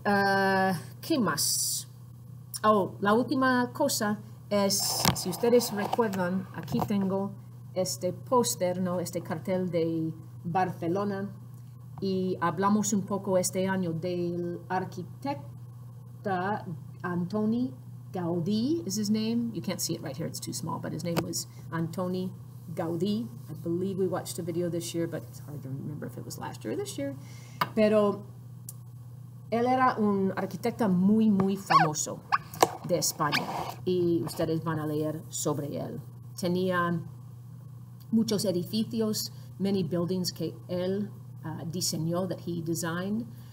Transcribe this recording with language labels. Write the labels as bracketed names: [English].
[Spanish] ¿Qué más? Oh, la última cosa es, si ustedes recuerdan, aquí tengo este póster, ¿no? Este cartel de Barcelona. Y hablamos un poco este año del arquitecto Antoni Gaudí, [English] is his name. You can't see it right here, it's too small, but his name was Antoni Gaudí. I believe we watched a video this year, but it's hard to remember if it was last year or this year. [Spanish] Pero él era un arquitecto muy, muy famoso de España. Y ustedes van a leer sobre él. Tenía muchos edificios, [English] many buildings [Spanish] que él diseñó, [English] that he designed.